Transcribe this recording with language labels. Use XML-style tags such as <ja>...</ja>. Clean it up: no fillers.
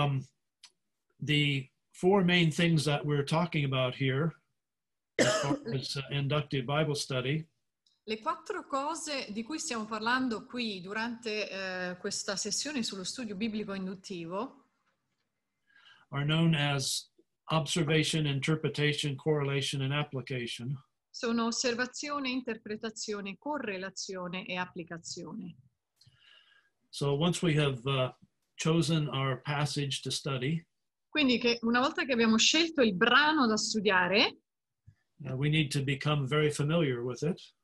<en>So the four main things that we're talking about here is inductive Bible study.</en> <it>Le quattro cose di cui stiamo parlando qui durante questa sessione sullo studio biblico induttivo</it> <en>are known as observation, interpretation, correlation, and application.</en> <it>Sono osservazione, interpretazione, correlazione e applicazione.</it> <en>So once we have chosen our passage to study,</en> <it>quindi che una volta che abbiamo scelto il brano da studiare,</it> <en>we need to become very familiar with it.</en>